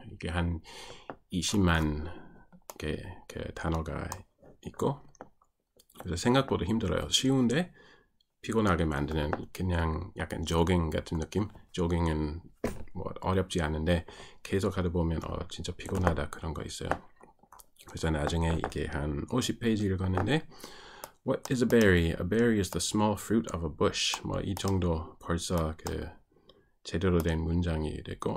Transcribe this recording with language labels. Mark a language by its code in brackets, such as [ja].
[ko] 이게 한 20만 개그 단어가 있고. 그래서 생각보다 힘들어요. 쉬운데 피곤하게 만드는, 그냥 약간 조깅 같은 느낌. 조깅은 뭐 어렵지 않은데 계속하다 보면 진짜 피곤하다, 그런 거 있어요. 그래서 나중에 이게 한 50페이지 읽었는데, [en] What is a berry? A berry is the small fruit of a bush. [ko] 뭐이 정도 벌써 그 제대로 된 문장이 됐고.